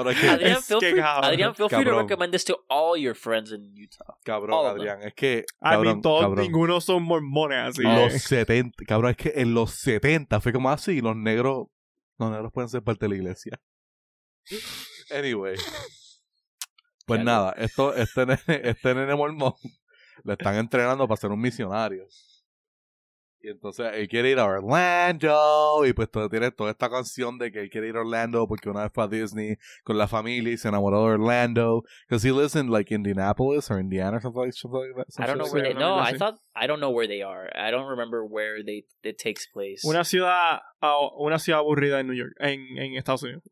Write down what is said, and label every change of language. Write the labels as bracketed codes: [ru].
[en] Adrián, feel free to recommend this to all your friends in Utah. [es] Cabrón, Adrián, es que... Cabrón, [en] I mean, [es] todos, ninguno son mormones así. Los 70, cabrón, es que en los 70 fue como así, y los negros pueden ser parte de la iglesia. [en] Anyway. [es] Pues nada, este nene mormón le están entrenando para ser un misionario. Y entonces él quiere ir a Orlando y pues todo, tiene toda esta canción de que él quiere ir a Orlando porque una vez fue a Disney con la familia y se enamoró de Orlando. [en] Because he lives in like Indianapolis or Indiana or something like that. Something I don't know where they, no, I thought, I don't know where they are. I don't remember where they it takes place. [es] Una ciudad aburrida en New York, en Estados Unidos.